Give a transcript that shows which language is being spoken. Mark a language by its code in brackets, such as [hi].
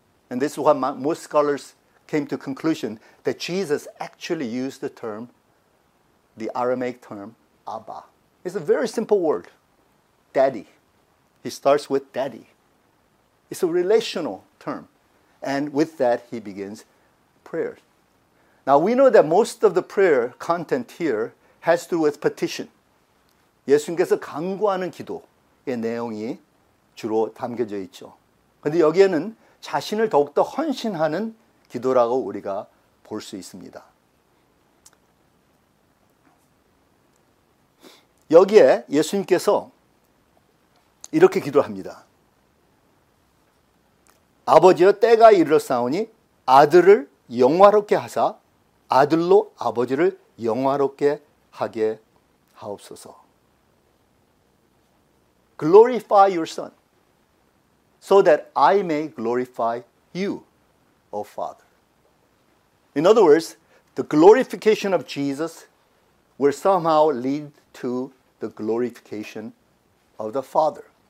[en] And this is what most scholars came to conclusion, that Jesus actually used the term, the Aramaic term, Abba. It's a very simple word, daddy. He starts with daddy. It's a relational term. And with that, he begins prayer. Now, we know that most of the prayer content here has to do with petition. [ko] 예수님께서 간구하는 기도의 내용이 주로 담겨져 있죠. 그런데 여기에는 자신을 더욱더 헌신하는 기도라고 우리가 볼 수 있습니다. 여기에 예수님께서 이렇게 기도합니다. 아버지여 때가 이르렀사오니 아들을 영화롭게 하사 아들로 아버지를 영화롭게 하게 하옵소서. [en] Glorify your son so that I may glorify you, O Father. In other words, the glorification of Jesus will somehow lead to the glorification of the Father.